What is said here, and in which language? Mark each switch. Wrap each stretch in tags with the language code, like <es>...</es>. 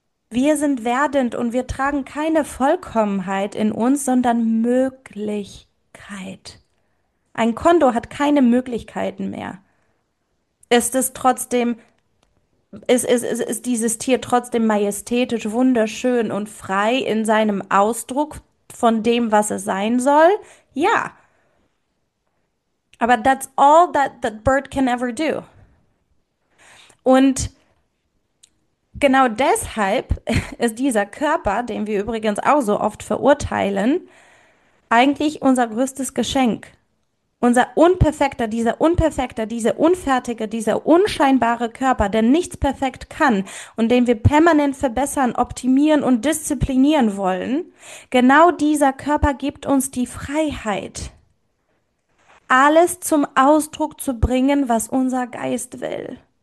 <de>Wir sind werdend und wir tragen keine Vollkommenheit in uns, sondern Möglichkeit. Ein Kondor hat keine Möglichkeiten mehr. Ist es trotzdem, ist dieses Tier trotzdem majestätisch, wunderschön und frei in seinem Ausdruck von dem, was es sein soll? Ja. Aber</de> <en>that's all that bird can ever do.</en> <de>Und genau deshalb ist dieser Körper, den wir übrigens auch so oft verurteilen, eigentlich unser größtes Geschenk. Unser unperfekter, dieser unperfekter, dieser unfertige, dieser unscheinbare Körper, der nichts perfekt kann und den wir permanent verbessern, optimieren und disziplinieren wollen, genau dieser Körper gibt uns die Freiheit, alles zum Ausdruck zu bringen, was unser Geist will.</de>